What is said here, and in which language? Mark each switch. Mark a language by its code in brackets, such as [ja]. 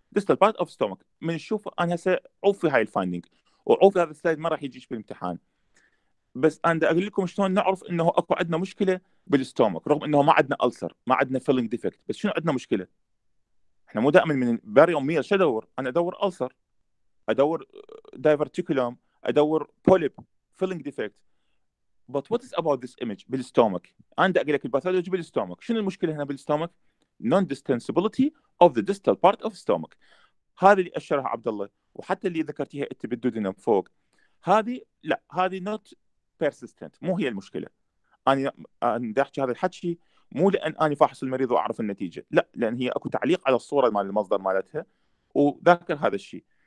[ar] distal part of stomach من نشوف أنا سأعوف في هاي الفايندينج وعوف هذا السلايد ما راح يجيش بالامتحان، بس أنا أقول لكم شلون نعرف إنه أكو عندنا مشكلة بالستومك رغم إنه ما عندنا ألسر ما عندنا filling defect، بس شنو عندنا مشكلة؟ إحنا مو دائما من باريوم ميل شو أدور؟ أنا أدور ألسر، أدور diverticulum، أدور polyp filling defect. [en] But what is about this image [ar] بالستومك؟ أنا أقول لك الباثولوجي بالستومك، شنو المشكلة هنا بالستومك؟ [en] Non-distensibility of the distal part of stomach. [ar] هذا اللي أشرها عبد الله وحتى اللي ذكرتيها أنت بالدودنة فوق، هذه لا هذه not persistent مو هي المشكلة. أنا أحكي هذا الحكي مو لأن أنا فاحص المريض وأعرف النتيجة، لا لأن هي أكو تعليق على الصورة مال المصدر مالتها وذاكر هذا الشيء.